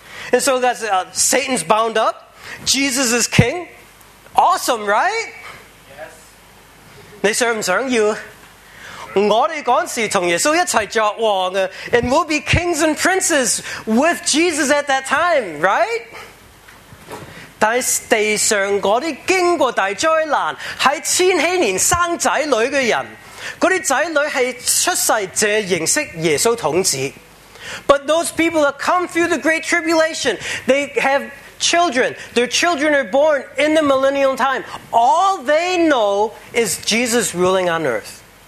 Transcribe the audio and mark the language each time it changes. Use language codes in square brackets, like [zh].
[en] And so God says, Satan's bound up, Jesus is king. Awesome, right? [zh] Yes. 你想不想要？我们那时跟耶稣一起作王的， [en] and we'll be kings and princes with Jesus at that time, right? [zh] 但是地上那些经过大灾难在千禧年生仔女的人，那些仔女是出世只认识耶稣统治。 [en] But those people that come through the great tribulation, they have children, their children are born in the millennial time. All they know is Jesus ruling on earth.